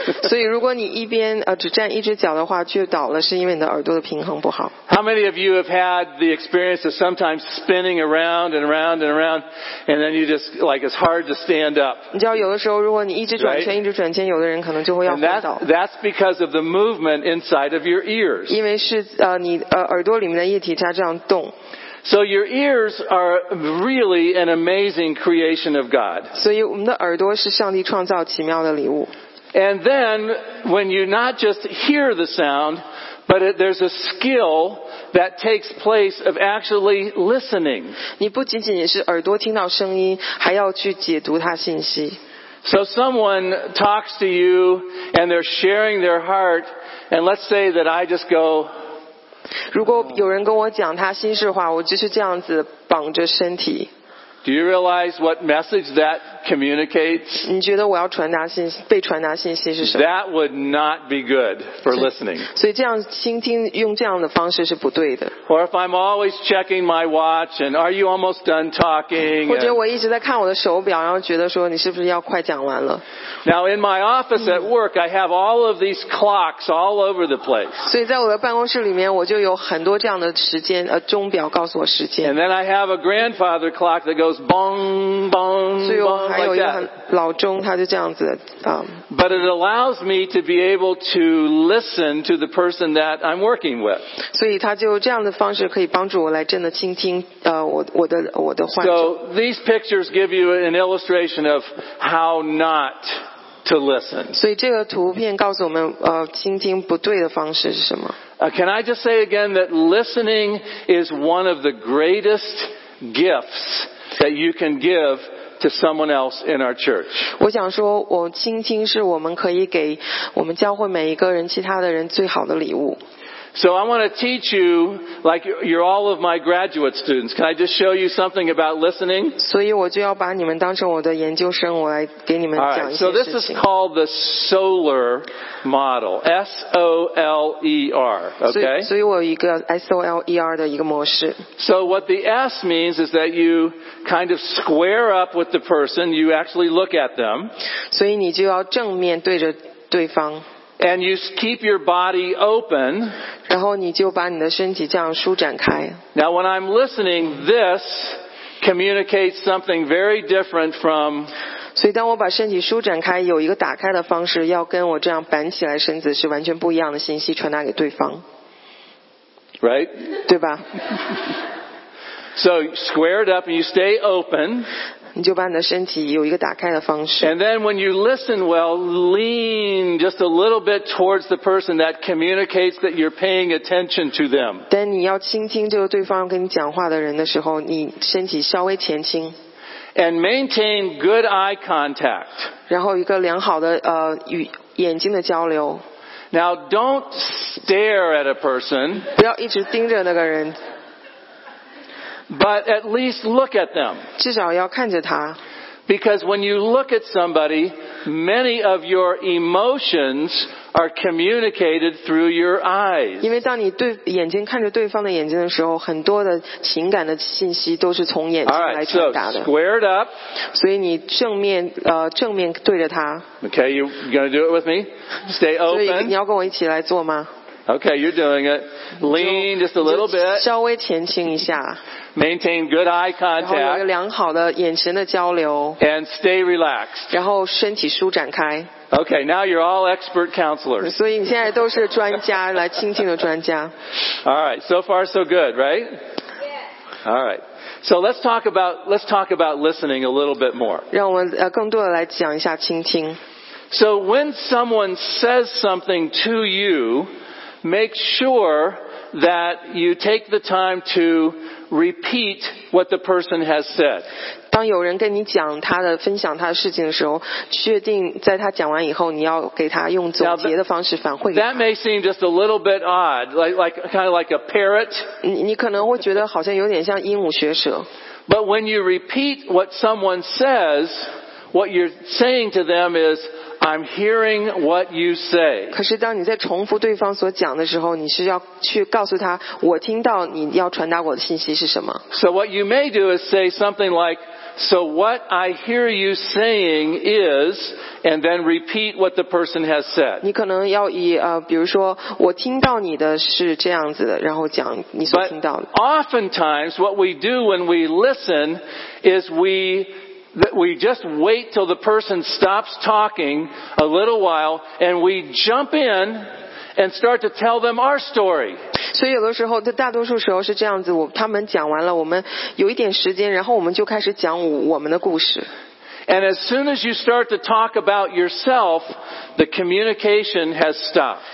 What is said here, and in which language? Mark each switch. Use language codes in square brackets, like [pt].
[zh] 所以如果你一边只站一只脚的话，却倒了，是因为你的耳朵的平衡不好。 [en] How many of you have had the experience of sometimes spinning around and around and around, and then you just like it's hard to stand up? [zh] 你知道有的时候，如果你一直转圈、 [en] right? [zh] 一直转圈，有的人可能就会要昏倒。 [en] That's because of the movement inside of your ears. [zh] 因为是耳朵里面的液体它这样动。 [en] So your ears are really an amazing creation of God. [zh] 所以我们的耳朵是上帝创造奇妙的礼物。 [en] And then when you not just hear the sound, but there's a skill that takes place of actually listening. [zh] 你不仅仅是耳朵听到声音，还要去解读它信息。 [en] So someone talks to you and they're sharing their heart, and let's say that I just go. [zh] 如果有人跟我讲他心事话，我就是这样子绑着身体。 [en] Do you realize what message that communicates? [zh] 你觉得我要传达信息，被传达信息是什么？ [en] That would not be good for listening. [zh] 所以这样倾听用这样的方式是不对的。 [en] Or if I'm always checking my watch and are you almost done talking? [zh] 或者我一直在看我的手表，然后觉得说你是不是要快讲完了？ [en] Now in my office at work, I have all of these clocks all over the place. [zh] 所以在我的办公室里面，我就有很多这样的时间钟表告诉我时间。 [en] And then I have a grandfather clock that goes bong bong bong like that. [zh] 老钟它就这样子。 [en] But it allows me to be able to listen to the person that I'm working with. [zh] 所以它就这样的方式可以帮助我来真的倾听我的患者。 [en] So these pictures give you an illustration of how not to listen. [zh] 所以这个图片告诉我们倾听不对的方式是什么。 [en] Can I just say again that listening is one of the greatest gifts. That you can give to someone else in our church. [zh] 我想说，我倾听是我们可以给我们教会每一个人、其他的人最好的礼物。 [en] So I want to teach you, like you're all of my graduate students. Can I just show you something about listening? [zh] 所以我就要把你们当成我的研究生，我来给你们讲一些事情。 [en] So this is called the solar model, S-O-L-E-R. Okay. [zh] 所以我有一个 S-O-L-E-R 的一个模式。 [en] So what the S means is that you kind of square up with the person. You actually look at them. [zh] 所以你就要正面对着对方。 [en] And you keep your body open. [zh] 然后你就把你的身体这样舒展开。 [en] Now when I'm listening, this communicates something very different from. [zh] 所以当我把身体舒展开，有一个打开的方式，要跟我这样板起来身子是完全不一样的信息传达给对方。 [en] Right? [zh] 对吧？ [en] So square it up and you stay open. [zh] 你就把你的身体有一个打开的方式。 [en] And then when you listen well, lean just a little bit towards the person that communicates that you're paying attention to them. [zh] 但你要倾听这个对方跟你讲话的人的时候，你身体稍微前倾。 [en] And maintain good eye contact. [zh] 然后一个良好的与眼睛的交流。 [en] Now don't stare at a person. [zh] 不要一直盯着那个人。 [en] But at least look at them. [zh] 至少要看着他。 [en] Because when you look at somebody, many of your emotions are communicated through your eyes. [zh] 因为当你对眼睛看着对方的眼睛的时候，很多的情感的信息都是从眼睛来传达的。 [en] All right, so square it up. [zh] 所以你正面对着他。 [en] Okay, you gonna do it with me? Stay open. [zh] 所以你要跟我一起来做吗？ [en] Okay, you're doing it. Lean just a little bit. [zh] 稍微前倾一下。 [en] Maintain good eye contact. [zh] 然后有一个良好的眼神的交流。 [en] And stay relaxed. [zh] 然后身体舒展开。 [en] Okay, now you're all expert counselors. [zh] 所以你现在都是专家，来倾听的专家。 [en] All right, so far so good, right? Yeah. All right. So let's talk about listening a little bit more. [zh] 让我们更多的来讲一下倾听。 [en] So when someone says something to you, make sure that you take the time to repeat what the person has said. [zh] 当有人跟你讲他的分享他的事情的时候，确定在他讲完以后，你要给他用总结的方式反馈。 [en] That may seem just a little bit odd, like a parrot. [zh] 你可能会觉得好像有点像鹦鹉学舌。 [en] But when you repeat what someone says, what you're saying to them is. I'm hearing what you say. [zh] 可是当你在重复对方所讲的时候，你是要去告诉他，我听到你要传达我的信息是什么。 [en] So what you may do is say something like, "So what I hear you saying is," and then repeat what the person has said. [zh] 你可能要以比如说我听到你的是这样子的，然后讲你所听到的。 [en] But oftentimes, what we do when we listen is we just wait till the person stops talking a little while and we jump in and start to tell them our story. [zh] 所以有的时候大多数时候是这样子，他们讲完了，我们有一点时间，然后我们就开始讲我们的故事。 [en] And as soon as you start to talk about yourself, the communication has stopped.